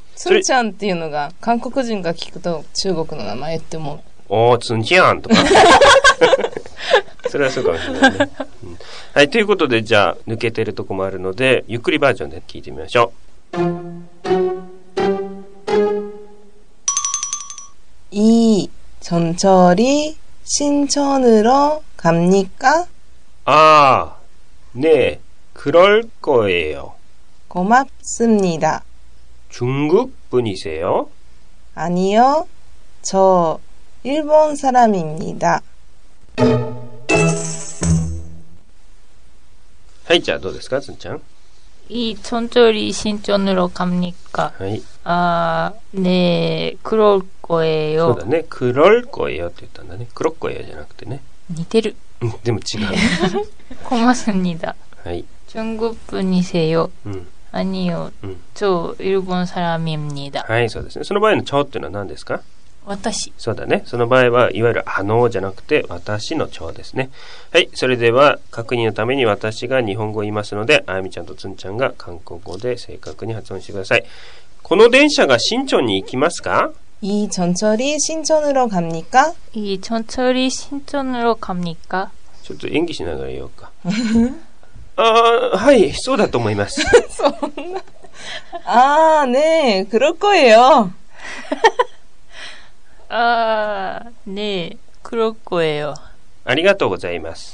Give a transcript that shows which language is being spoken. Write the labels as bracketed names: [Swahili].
[Japanese] ツンちゃんっていうのが韓国人が聞くと中国の名前って思う。おー、ツンちゃんとかそれはそうかもしれないね、はい、ということでじゃあ抜けてるとこもあるのでゆっくりバージョンで聞いてみましょう。 [Korean] 이전철이신촌으로갑니까 아네그럴거예요 고맙습니다 중국분이세요 아니요저일본사람입니다 [Japanese] はい、じゃあどうですか、つんちゃん。 [Korean] 이전철이신촌으로갑니까 [Japanese] はい。 [Korean] 아네그럴거예요 [Japanese] そうだね、 [Korean] 그럴거예요 [Japanese] って言ったんだね。그럴거예요じゃなくてね。似てる。でも違う。 [Korean] 고맙습니다。 [Japanese] はい。 [Korean] 중국분이세요아니요저일본사람입니다。 [Japanese] はい、そうですね。その場合のちょっていうのは何ですか私。そうだね。その場合は、いわゆるあのじゃなくて、私の蝶ですね。はい。それでは、確認のために私が日本語を言いますので、あやみちゃんとつんちゃんが韓国語で正確に発音してください。この電車が新町に行きますか？ [Korean] 이전철이신촌으로갑니까？ 이전철이신촌으로갑니까？ [Japanese] ちょっと演技しながら言おうか。あ、はい、そうだと思います。そんな。ああ、ねえ、 [Korean] 그럴거예요。 [Japanese] ああ、ねえ、 [Korean] 그럴거예요。 [Japanese] ありがとうございます。